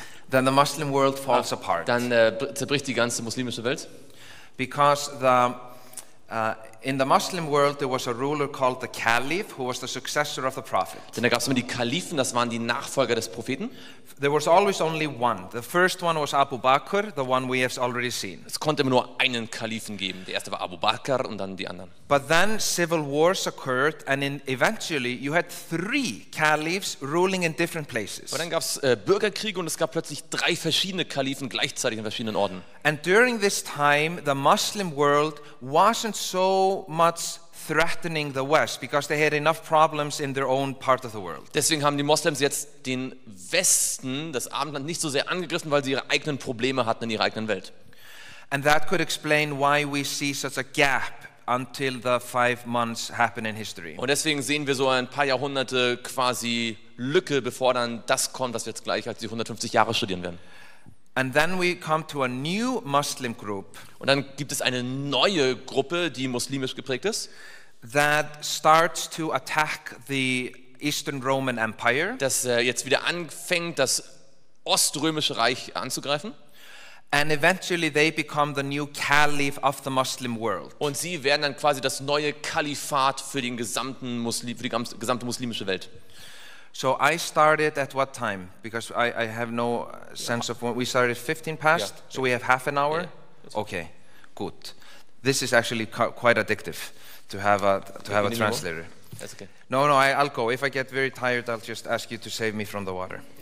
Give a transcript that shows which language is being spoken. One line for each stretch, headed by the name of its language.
English: Then the Muslim world falls apart.
German: Dann zerbricht die ganze muslimische Welt.
English: Because the In the Muslim world there was a ruler called the Caliph who was the successor of the Prophet.
German: Denn da gab es immer die Kalifen, das waren die Nachfolger des Propheten.
English: There was always only one. The first one was Abu Bakr, the one we have already seen.
German: Es konnte immer nur einen Kalifen geben. Der erste war Abu Bakr und dann die anderen.
English: But then civil wars occurred and eventually you had three caliphs ruling in different places.
German: Und dann gab es Bürgerkriege und es gab plötzlich drei verschiedene Kalifen gleichzeitig in verschiedenen Orden.
English: And during this time the Muslim world wasn't so much threatening the West because they had enough problems in their own part of the world.
German: Deswegen haben die Moslems jetzt den Westen, das Abendland, nicht so sehr angegriffen, weil sie ihre eigenen Probleme hatten in ihrer eigenen Welt.
English: And that could explain why we see such a gap until the 5 months happen in history.
German: Und deswegen sehen wir so ein paar Jahrhunderte quasi Lücke, bevor dann das kommt, was wir jetzt gleich als die 150 Jahre studieren werden.
English: And then we come to a new Muslim group.
German: Und dann gibt es eine neue Gruppe, die muslimisch geprägt ist.
English: That starts to attack the Eastern Roman Empire.
German: Das jetzt wieder anfängt, das Oströmische Reich anzugreifen.
English: And eventually they become the new caliph of the Muslim world.
German: Und sie werden dann quasi das neue Kalifat für den gesamten für die gesamte muslimische Welt.
English: So I started at what time? Because I have no sense of when. We started 15 past, yeah. So we have half an hour? Yeah. Okay, good. This is actually quite addictive to have a translator. That's okay. No, I'll go. If I get very tired, I'll just ask you to save me from the water.